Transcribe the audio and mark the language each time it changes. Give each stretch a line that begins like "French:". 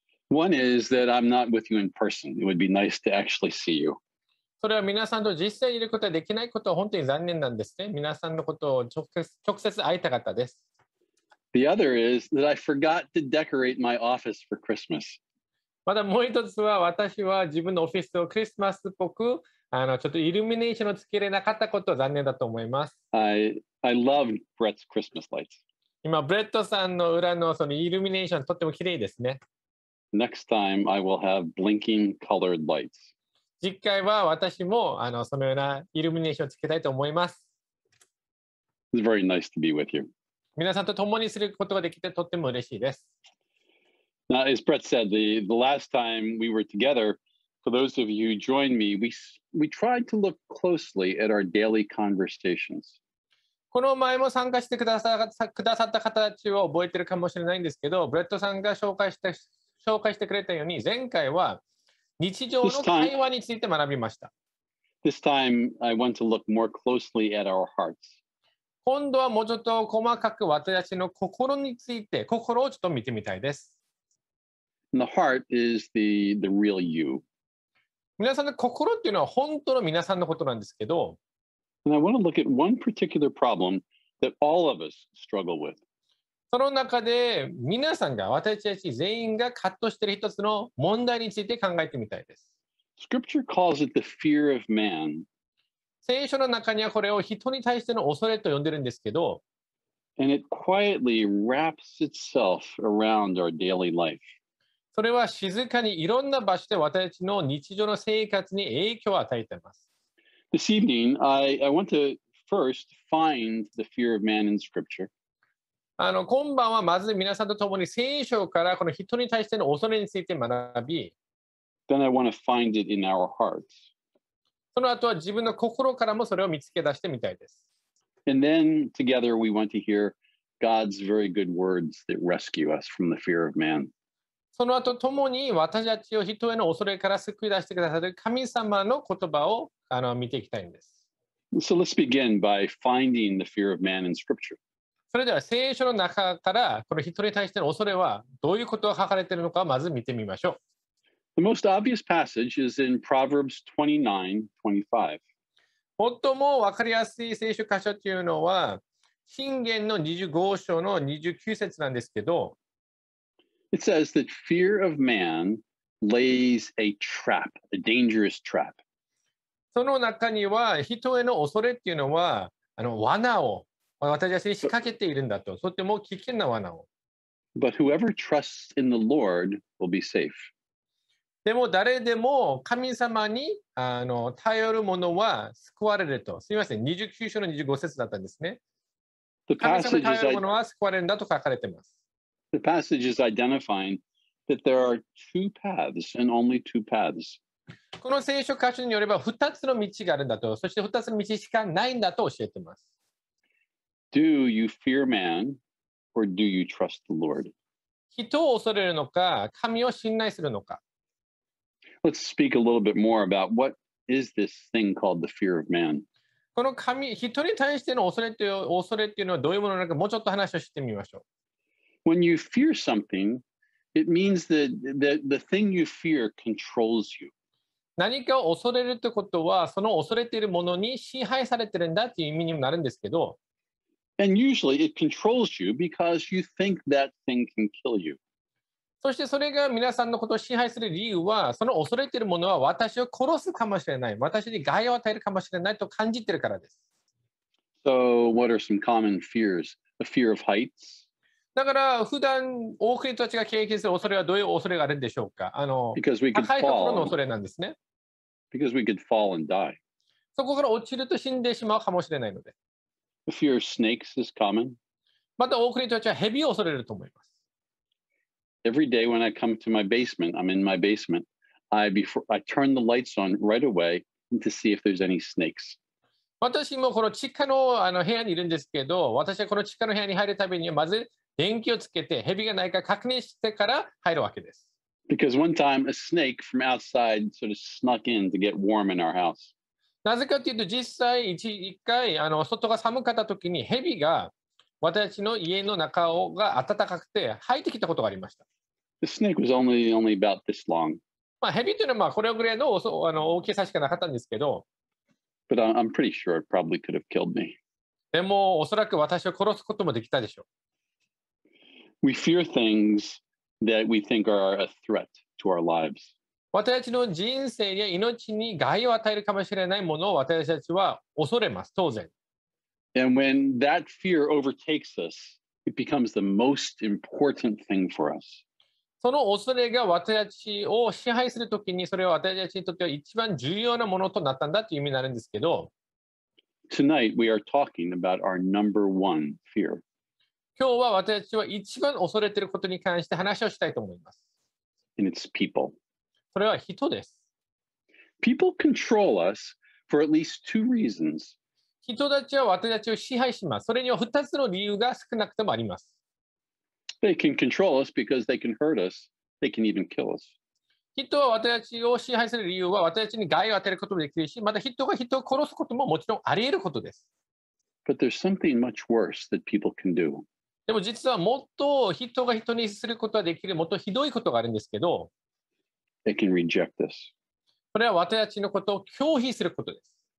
English: One is that I'm not with you in person. It would be nice to actually see you.
Japanese: それは皆さんと実際にいることができないことは本当に残念なんですね。皆さんのことを直接会いたかったです。
English: The other is that I forgot to decorate my office for Christmas.
Japanese: またもう一つは私は自分のオフィスをクリスマスっぽくあのちょっとイルミネーションをつけれなかったことは残念だと思います。
English: I love Brett's Christmas lights.
Japanese: 今ブレットさんの裏のそのイルミネーションとっても綺麗ですね。
English: Next time I will have blinking colored lights.
Japanese: 次回は私もあのそのようなイルミネーションをつけたいと思います。
English: It's very nice to be with you.
Japanese: 皆さんと共にすることができてとっても嬉しいです。
English: Now, as Brett said, the last time we were together, for those of you who joined me, we tried to look closely at our daily conversations.
Japanese: この前も参加してくださった方たちは覚えてるかもしれないんですけど、ブレットさんが紹介してくれたように、前回は日常の会話について学びました。
English: This time, I want to look more closely at our hearts.
Japanese: 今度はもうちょっと細かく私たちの心について、心をちょっと見てみたいです。
English: The heart is the real you.
Japanese: 皆さんの心っていうのは本当の皆さんのことなんですけど。
English: And I want to look at one particular problem that all of us struggle with.
Japanese: その中で皆さんが私たち全員が葛藤している一つの問題について考えてみたいです。
English: Scripture calls it the fear of man.
Japanese: 聖書の中にはこれを人に対しての恐れと呼んでるんですけど、
English: And it quietly wraps itself around our daily life.
Japanese: それは静かにいろんな場所で私たちの日常の生活に影響を与えています。
English: This evening, I want to first find the fear of man in Scripture.
Japanese: あの、今晩はまず皆さんと共に聖書からこの人に対しての恐れについて学び、
English: Then I want to find it in our hearts.
Japanese: その後は自分の心からもそれを見つけ出してみたいです。
English: And then together we want to hear God's very good words that rescue us from the fear of man.
Japanese: その後ともに私たちを人への恐れから救い出してくださる神様の言葉をあの見ていきたいんです。
English: So let's begin by finding the fear of man in Scripture.
Japanese: それでは聖書の中からこの人に対しての恐れはどういうことが書かれているのかまず見てみましょう。
English: The most obvious passage is in Proverbs 29:25.
Japanese: 最もわかりやすい聖書箇所というのは、箴言の25章の29節なんですけど、
English: It says that fear of man lays a trap, a dangerous trap.
Japanese: その中には、人への恐れっていうのは、あの罠を私たちに仕掛けているんだと、とても危険な罠を。
English: But whoever trusts in the Lord will be safe.
Japanese: でも誰でも神様にあの頼る者は救われると。すみません、29章の25節だったんですね。神様に頼る者は救われるんだと書かれています。
English: The passage is identifying that there are two paths and only two paths.
Japanese: この聖書箇所によれば2つの道があるんだと、そして2つの道しかないんだと教えてます。
English: Do you fear man or do you trust the Lord?
Japanese: 人を恐れるのか、神を信頼するのか。
English: Let's speak a little bit more about what is this thing called the fear of man.
Japanese: この神、人に対しての恐れというのはどういうものなのか、もうちょっと話をしてみましょう。
English: When you fear something, it means that the thing you fear controls you.
Japanese: 何かを恐れるってことは、その恐れているものに支配されてるんだという意味にもなるんですけど。
English: And usually it controls you because you think that thing can kill you.
Japanese: そしてそれが皆さんのことを支配する理由は、その恐れているものは私を殺すかもしれない、私に害を与えるかもしれないと感じているからです。
English: So what are some common fears? A fear of heights?
Japanese: だから普段多くの人たちが経験する恐れはどういう恐れがあるんでしょうか。高いところの恐れなんですね。
English: Because we could fall and die.
Japanese: そこから落ちると死んでしまうかもしれないので。
English: The fear of snakes is common.
Japanese: また多くの人たちは蛇を恐れると思います。
English: Every day when I come to my basement, I'm in my basement, I turn the lights on right away to see if there's any snakes.
Japanese: 私もこの地下の、部屋にいるんですけど、私はこの地下の部屋に入るたびにまず電気をつけて蛇がないか確認してから入るわけです。
English: Because one time a snake from outside sort of snuck in to get warm in our house.
Japanese: なぜかというと実際一回外が寒かった時に蛇が私の家の中が暖かくて入ってきたことがありました。
English: The snake was only about this long.
Japanese: まあ蛇というのはこれぐらいの大きさしかなかったんですけど。
English: But I'm pretty sure it probably could have killed me.
Japanese: でもおそらく私を殺すこともできたでしょう。
English: We fear things that we think are a threat to our lives.
Japanese: 私たちの人生や命に害を与えるかもしれないものを私たちは恐れます、当然。
English: And when that fear overtakes us, it becomes the most important thing for us.
Japanese: その恐れが私たちを支配するときに、それは私たちにとっては一番重要なものとなったんだという意味になるんですけど。
English: Tonight we are talking about our number one fear.
Japanese: 今日は私たちは一番恐れていることに関して話をしたいと思います。
English: And it's people.
Japanese: それは人です。
English: People control us for at least two reasons.
Japanese: 人たちは私たちを支配します。それには2つの理由が少なくともあります。
English: They can control us because they can hurt us. They can even kill us.
Japanese: 人は私たちを支配する理由は私たちに害を与えることもできるし、また人が人を殺すことももちろんあり得ることです。
English: But there's something much worse that people can do.
Japanese: でも実はもっと人が人にすることができる、もっとひどいことがあるんですけど、
English: They can reject us.
Japanese: これは私たちのことを拒否することです。